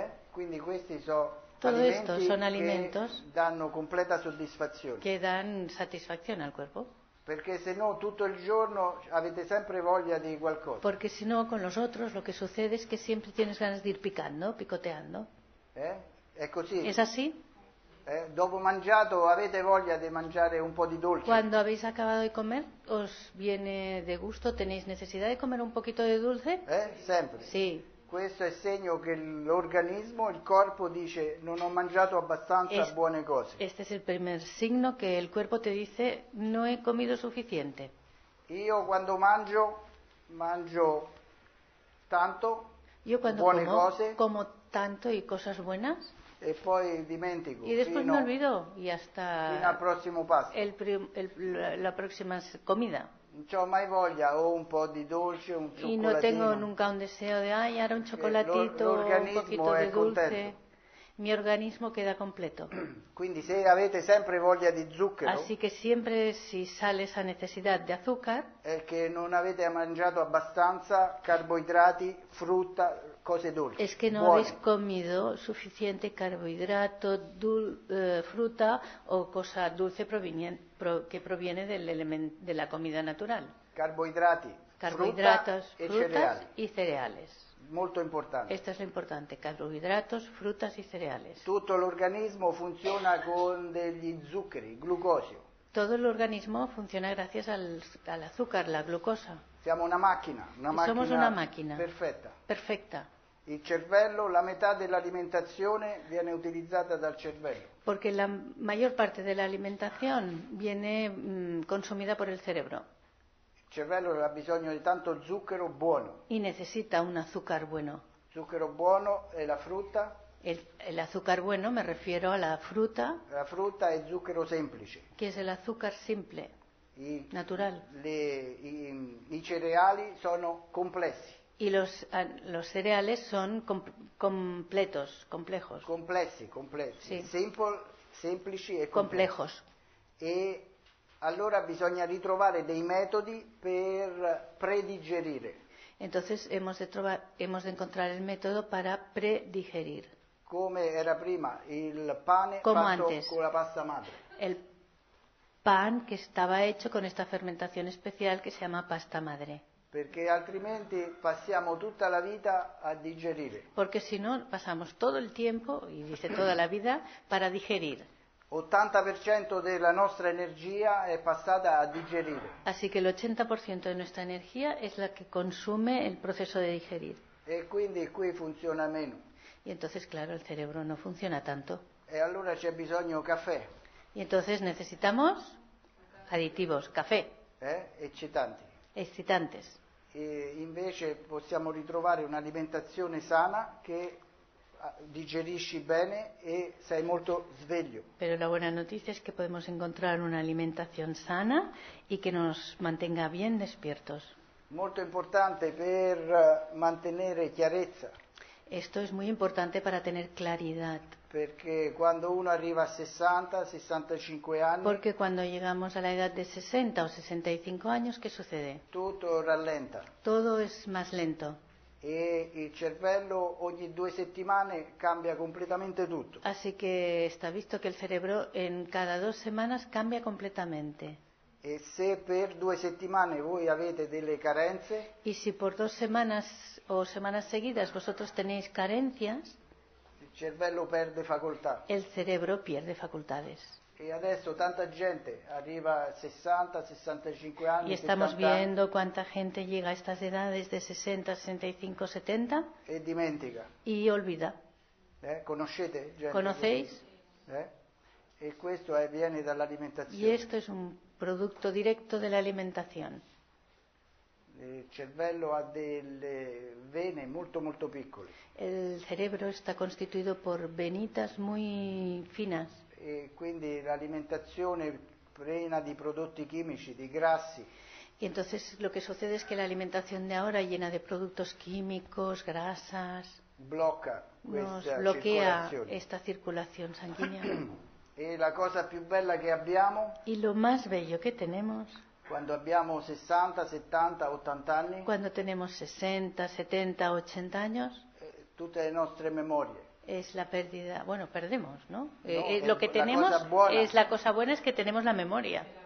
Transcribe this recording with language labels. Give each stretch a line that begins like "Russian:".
Italian: Quindi questi sono alimenti che danno completa soddisfazione. Che danno soddisfazione al corpo. Perché se no tutto il giorno avete sempre voglia di qualcosa. Perché se no
Spanish: con los otros lo
Italian: che succede
Spanish: es que siempre tienes ganas de ir picando, picoteando.
Italian: È così.
Spanish: Es así.
Italian: Dopo mangiato avete voglia di mangiare un po' di dolce.
Spanish: Quando habéis acabado de comer, os viene de gusto, tenéis necesidad de comer un poquito de dulce?
Italian: Sempre.
Spanish: Sí.
Italian: Questo è segno che l'organismo, il corpo dice non ho mangiato abbastanza buone cose.
Spanish: Este es el primer signo que el cuerpo te dice no he comido suficiente.
Italian: Io quando mangio tanto, io quando buone
Spanish: como,
Italian: cose,
Spanish: como tanto y cosas buenas.
Italian: E poi dimentico.
Spanish: Y después me olvido y hasta
Italian: fino al prossimo pasto.
Spanish: La prossima comida.
Italian: Non ho mai voglia, o un po' di dolce, un cioccolatino.
Spanish: Y no tengo nunca un deseo de, ay, ahora un cioccolatito, un poquito
Italian: è
Spanish: de dulce.
Italian: Contento.
Spanish: Mi organismo queda completo.
Italian: Quindi se avete sempre voglia di zucchero.
Spanish: Así que siempre si sale esa necesidad de azúcar.
Italian: È che non avete mangiato abbastanza carboidrati, frutta, cose dolci.
Spanish: Es que no habéis comido suficiente carbohidrato, frutta o cosa dulce proviene de la comida natural. Carbohidrati, carbohidratos, frutas y cereales.
Italian: Molto importante.
Spanish: Esto es lo importante, carbohidratos, frutas y cereales.
Italian: Tutto l'organismo funziona con degli zuccheri, glucosio.
Spanish: Todo el organismo funciona gracias al azúcar, la glucosa.
Italian: Siamo una macchina,
Spanish: Somos una máquina.
Italian: Perfetta.
Spanish: Perfecta.
Italian: Il cervello, la metà dell'alimentazione viene utilizzata dal cervello. Perché la maggior parte dell'alimentazione viene consumita
Spanish: por el cerebro.
Italian: Il cervello ha bisogno di tanto zucchero buono.
Spanish: Y necesita un azúcar bueno.
Italian: Zucchero buono e la frutta.
Spanish: El azúcar bueno, me refiero a la fruta.
Italian: La frutta è zucchero semplice.
Spanish: Que es el azúcar simple, natural.
Italian: I cereali sono complessi.
Spanish: Y los cereales son completos, complejos.
Italian: Complessi, complessi. Sí. Simple, semplici e
Spanish: complejos.
Italian: E allora bisogna ritrovare dei metodi per predigerire.
Spanish: Entonces hemos de encontrar el método para predigerir.
Italian: Come era prima il pane
Spanish: Como
Italian: fatto
Spanish: antes,
Italian: con la pasta madre.
Spanish: El pan que estaba hecho con esta fermentación especial que se llama pasta madre.
Italian: Perché altrimenti passiamo tutta la vita a digerire.
Spanish: Porque si no pasamos todo el tiempo y dice toda la vida para digerir.
Italian: 80% della nostra energia è passata a digerire.
Spanish: Así que el 80% de nuestra energía es la que consume el proceso de digerir.
Italian: E quindi qui funziona meno.
Spanish: Y entonces claro, el cerebro no funciona tanto.
Italian: E allora c'è bisogno caffè.
Spanish: Y entonces necesitamos aditivos, café.
Italian: Eccitanti.
Spanish: Excitantes.
Italian: E invece possiamo ritrovare un'alimentazione sana che digerisci bene e sei molto sveglio.
Spanish: Pero la buena noticia es que podemos encontrar una alimentación sana y que nos mantenga bien despiertos.
Italian: Molto importante per mantenere chiarezza.
Spanish: Esto es muy importante para tener claridad.
Italian: Perché quando uno arriva a 60, 65 anni.
Spanish: Porque cuando llegamos a la edad de 60 o 65 años, ¿qué sucede?
Italian: Tutto rallenta.
Spanish: Todo es más lento.
Italian: E il cervello ogni due settimane cambia completamente tutto.
Spanish: Así que está visto que el cerebro en cada dos semanas cambia completamente.
Italian: E se per due settimane voi avete delle carenze?
Spanish: Y si por dos semanas o semanas seguidas vosotros tenéis carencias?
Italian: Il cervello perde facoltà.
Spanish: El cerebro pierde facultades.
Italian: E adesso tanta gente arriva a 60, 65 anni.
Spanish: Y estamos viendo cuánta gente llega a estas edades de 60, 65, 70.
Italian: E dimentica.
Spanish: Y olvida.
Italian: Conoscete gente?
Spanish: ¿Conocéis?
Italian: E questo viene dall'alimentazione.
Spanish: Y esto es un producto directo de la alimentación.
Italian: Il cervello ha delle vene molto molto piccole.
Spanish: El cerebro está constituido por venitas muy finas.
Italian: E quindi l'alimentazione piena di prodotti chimici, di grassi.
Spanish: Y entonces lo que sucede es que la alimentación de ahora llena de productos químicos, grasas.
Italian: Blocca
Spanish: questa bloquea esta circulación sanguínea.
Italian: E la cosa più bella che abbiamo?
Spanish: Y lo más bello que tenemos.
Italian: Quando abbiamo 60, 70, 80 anni.
Spanish: Cuando tenemos 60, 70, 80 años.
Italian: Tutte le nostre memorie.
Spanish: Es la pérdida. Bueno, perdemos, ¿no? Lo que tenemos es la cosa buena es que tenemos la memoria.